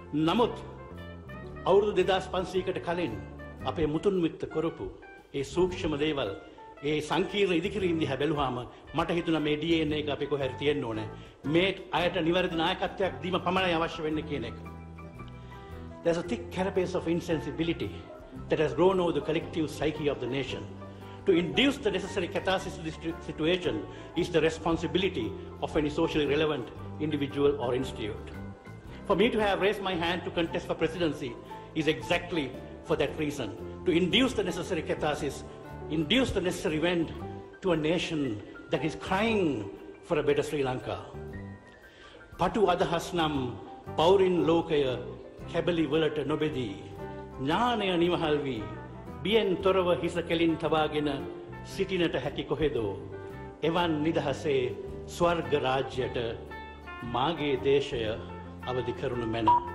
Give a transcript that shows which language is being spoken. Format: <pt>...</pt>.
<si>නමුත් අවුරුදු 2500කට කලින් අපේ මුතුන් මිත්ත කරපු ඒ සූක්ෂම දේවල්, ඒ සංකීර්ණ ඉදිකිරීම් දිහා බැලුවාම මට හිතුණා මේ DNA එක අපි කොහෙද තියෙන්න ඕනේ, මේ අයට නිවැරදි නායකත්වයක් දීම පමණයි අවශ්‍ය වෙන්නේ කියන එක.</si> <en>There's a thick carapace of insensibility that has grown over the collective psyche of the nation. To induce the necessary catharsis to this situation is the responsibility of any socially relevant individual or institute. For me to have raised my hand to contest for presidency is exactly for that reason, to induce the necessary catharsis, induce the necessary event to a nation that is crying for a better Sri Lanka.</en> <si>Patu adahasnam paurin lokaya කැබලි වලට නොබෙදී ඥානය නිවහල් වී බියෙන් තොරව හිස කෙලින් තබාගෙන සිටිනට හැකි කොහෙදෝ එවන් නිදහසේ ස්වර්ග රාජ්‍යයට මාගේ දේශය අවදි කරනු මැන.</si>